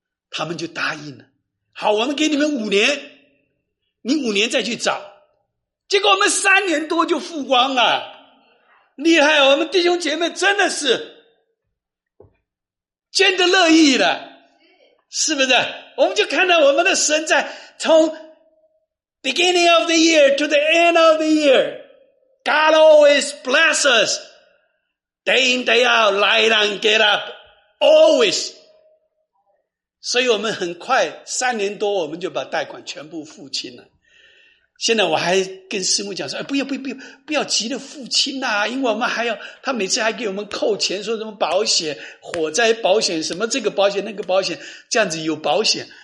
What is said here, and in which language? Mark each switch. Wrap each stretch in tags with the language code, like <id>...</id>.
<zh>他们就答应了，好，我们给你们5年，你5年再去找。结果我们3年多就付光了，厉害！我们弟兄姐妹真的是捐得乐意了，是不是？我们就看到我们的神在从</zh> <en>beginning of the year to the end of the year， God always bless us day in day out， light and get up always。</en> <zh>所以我们很快3年多我们就把贷款全部付清了。现在我还跟师母讲说、哎、不要急着付清啦、啊、因为我们还要，他每次还给我们扣钱，说什么保险，火灾保险，什么这个保险那个保险，这样子有保险。</zh>